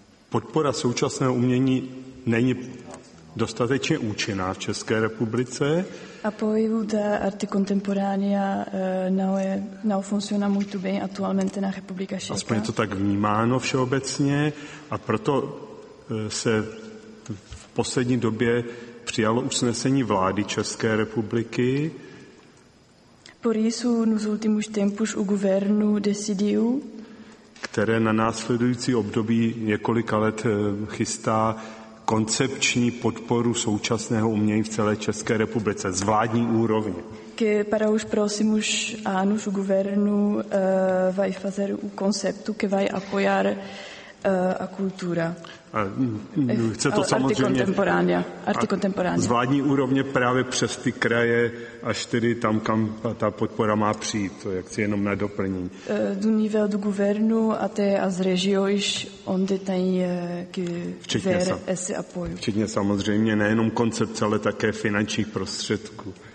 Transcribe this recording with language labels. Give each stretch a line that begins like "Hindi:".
Czech: Podpora současného umění není dostatečně účinná v České republice.
Portuguese: Apoio da arte contemporânea não funciona muito bem atualmente na República Checa.
Czech: Aspoň je to tak vnímáno všeobecně a proto se v poslední době přijalo usnesení vlády České republiky.
Portuguese: Por isso, nos últimos tempos, o governo decidiu,
Czech: které na následující období několika let chystá koncepční podporu současného umění v celé České republice z vládní úrovně.
Portuguese: Que para os próximos anos o governo vai fazer o concepto que vai apoiar a cultura.
Czech: A chce to samozřejmě
Portuguese: arte contemporânea.
Czech: Z vládní úrovně právě přes ty kraje až tedy tam, kam ta podpora má přijít, to jak si jenom na doplnění.
Portuguese: Do nível do governo até as regiões onde tem que ver esse apoio.
Czech: Včetně samozřejmě nejenom koncepce, ale také finančních prostředků.